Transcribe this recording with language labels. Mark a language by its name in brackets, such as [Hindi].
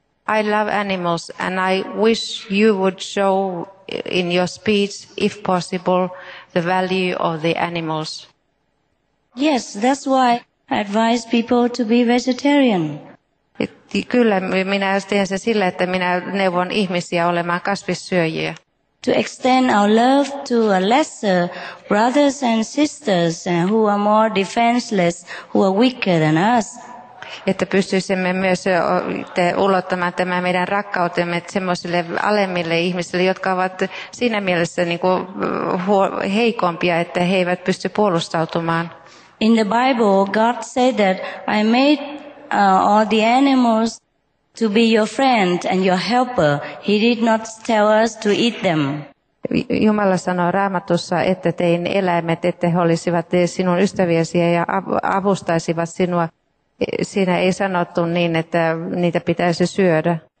[English] I love animals and I wish you would show in your speech, if possible, the value of the animals. Yes, that's why I advise people to be vegetarian. [Finnish] Kyllä, minä teen sen sillä, että minä neuvon ihmisiä olemaan kasvissyöjiä. [English] To extend our love to a lesser brothers and sisters who are more defenseless, who are weaker than us. [Finnish] Että pystyisimme myös ulottamaan tämän meidän rakkautemme semmoisille alemmille ihmisille, jotka ovat siinä mielessä niin kuin heikompia, että he eivät pysty puolustautumaan. [English] In the Bible, God said that I made all the animals to be your friend and your helper. He did not tell us to eat them. [Finnish] Jumala sanoi Raamatussa, että tein eläimet, että he olisivat sinun ystäviäsi ja avustaisivat sinua. Siinä ei sanottu niin, että niitä pitäisi syödä.